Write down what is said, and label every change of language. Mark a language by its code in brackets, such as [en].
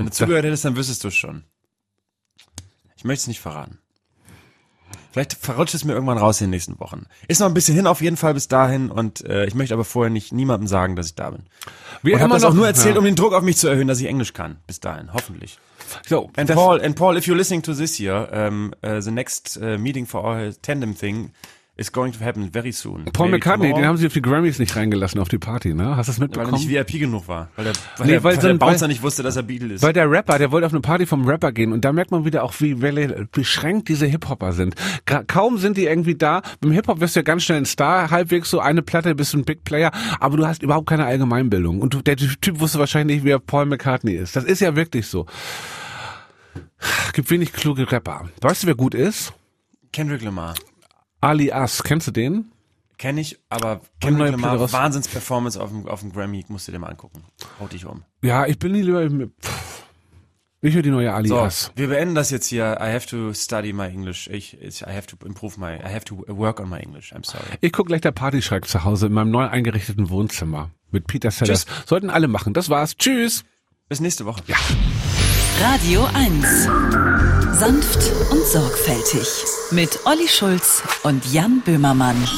[de] Wenn du zugehört hättest, dann wüsstest du es schon. Ich möchte es nicht verraten. Vielleicht verrutscht es mir irgendwann raus in den nächsten Wochen. Ist noch ein bisschen hin auf jeden Fall bis dahin. Und ich möchte aber vorher nicht niemandem sagen, dass ich da bin. Ich habe das auch nur erzählt, um den Druck auf mich zu erhöhen, dass ich Englisch kann. Bis dahin, hoffentlich. [en] So, and Paul, if you're listening to this here, the next meeting for our tandem thing is going to happen very soon. [de] Paul Maybe McCartney, [en] tomorrow. [de] Den haben sie auf die Grammys nicht reingelassen auf die Party, ne? Hast du das mitbekommen? Weil er nicht VIP genug war. Weil der Bouncer nicht wusste, dass er Beatle ist. Weil der Rapper, der wollte auf eine Party vom Rapper gehen und da merkt man wieder auch, wie beschränkt diese Hip-Hopper sind. Kaum sind die irgendwie da. Beim Hip-Hop wirst du ja ganz schnell ein Star, halbwegs so eine Platte, bist du ein Big Player, aber du hast überhaupt keine Allgemeinbildung. Und der Typ wusste wahrscheinlich nicht, wer Paul McCartney ist. Das ist ja wirklich so. Gibt wenig kluge Rapper. Weißt du, wer gut ist? Kendrick Lamar. Alias, kennst du den? Kenn ich, aber Kendrick Lamar, Wahnsinns-Performance auf dem Grammy, musst du dir mal angucken. Haut dich um. Ja, ich bin lieber... Ich höre die neue Alias. So, wir beenden das jetzt hier. [en] I have to study my English. I have to work on my English. I'm sorry. [de] Ich gucke gleich der Partyschreck zu Hause in meinem neu eingerichteten Wohnzimmer mit Peter Sellers. Tschüss. Sollten alle machen. Das war's. Tschüss. Bis nächste Woche. Ja. Radio 1. Sanft und sorgfältig. Mit Olli Schulz und Jan Böhmermann.